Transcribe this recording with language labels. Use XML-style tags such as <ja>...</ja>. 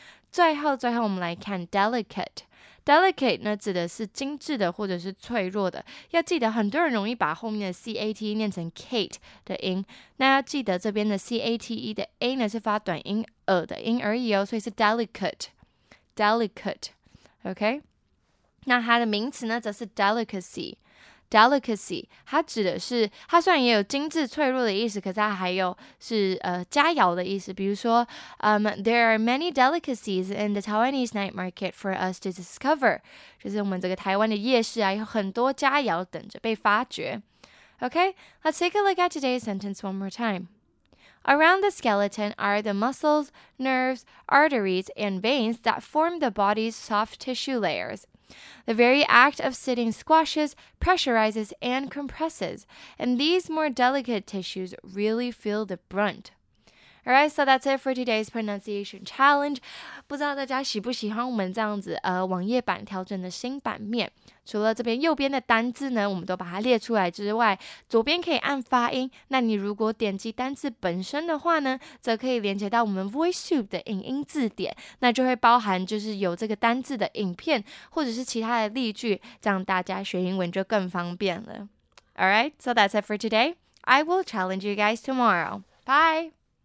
<zh>最后我们来看 delicate 呢指的是精致的或者是脆弱的要记得很多人容易把后面的 cate 念成 kate 的音那要记得这边的 cate 的 a 呢是发短音 e 的音而已哦所以是 delicate OK， 那它的名词呢，则是 delicacy。 delicacy 它指的是，它虽然也有精致脆弱的意思，可是它还有是佳肴的意思。比如说，</zh> <en>there are many delicacies in the Taiwanese night market for us to discover，</en> <zh>就是我们这个台湾的夜市啊，有很多佳肴等着被发掘。</zh> <en>OK， let's take a look at today's sentence one more time。 Around the skeleton are the muscles, nerves, arteries, and veins that form the body's soft tissue layers. The very act of sitting squashes, pressurizes, and compresses, and these more delicate tissues really feel the brunt. All right, so that's it for today's pronunciation challenge.</en> <zh>不知道大家喜不喜欢我们这样子网页版调整的新版面。除了这边右边的单字呢，我们都把它列出来之外，左边可以按发音。那你如果点击单字本身的话呢，则可以连接到我们 VoiceTube 的影音字典，那就会包含就是有这个单字的影片或者是其他的例句，这样大家学英文就更方便了。</zh> <en>All right, so that's it for today. I will challenge you guys tomorrow. Bye!</en>